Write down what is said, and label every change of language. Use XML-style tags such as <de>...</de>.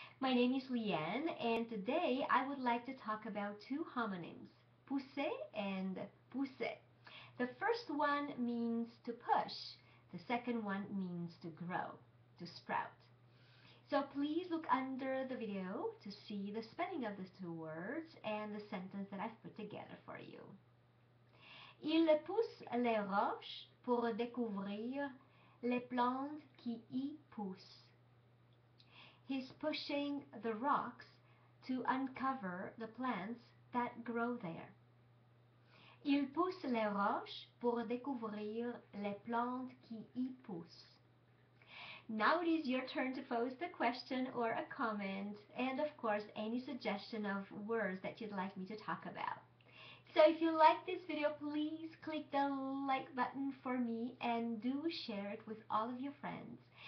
<en>My name is Llyane and today I would like to talk about two homonyms, pousser and pousser. The first one means to push, the second one means to grow, to sprout. So please look under the video to see the spelling of the two words and the sentence that I've put together for you.</en> <fr>Il pousse les roches pour découvrir les plantes qui y poussent.</fr> <en>He's pushing the rocks to uncover the plants that grow there.</en> <fr>Il pousse les roches pour découvrir les plantes qui y poussent.</fr> <en>Now it is your turn to post a question or a comment and of course any suggestion of words that you'd like me to talk about. So if you like this video, please click the like button for me and do share it with all of your friends.</en>